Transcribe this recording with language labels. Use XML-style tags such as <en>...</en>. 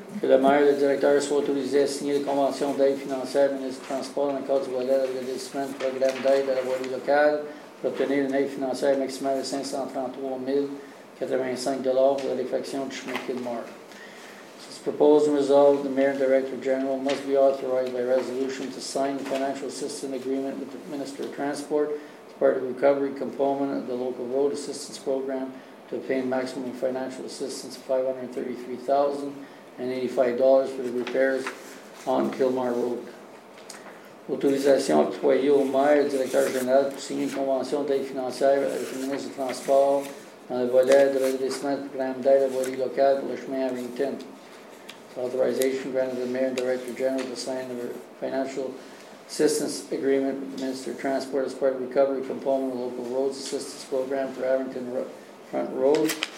<fr>Que le maire et le directeur soient autorisés à signer la convention d'aide financière du ministre des Transports dans le cadre du volet de redressement du programme d'aide à la voirie locale. Obtenir une aide financière maximale de $533,085 pour la réfection du chemin Kilmore.</fr> <en>This proposed and resolved, the Mayor and Director General must be authorized by resolution to sign the financial assistance agreement with the Minister of Transport as part of the recovery component of the Local Road Assistance Program to obtain maximum financial assistance of $533,085 for the repairs on Kilmore Road.</en> <fr>Autorisation octroyée au maire et directeur général pour signer une convention d'aide financière avec le ministre du Transport dans le volet de redressement du programme d'aide à la voirie locale pour le chemin Harrington.</fr> <en>Authorization granted to the mayor and director general to sign the financial assistance agreement with the Minister of Transport as part of recovery component of the local roads assistance program for Harrington Front Road.</en>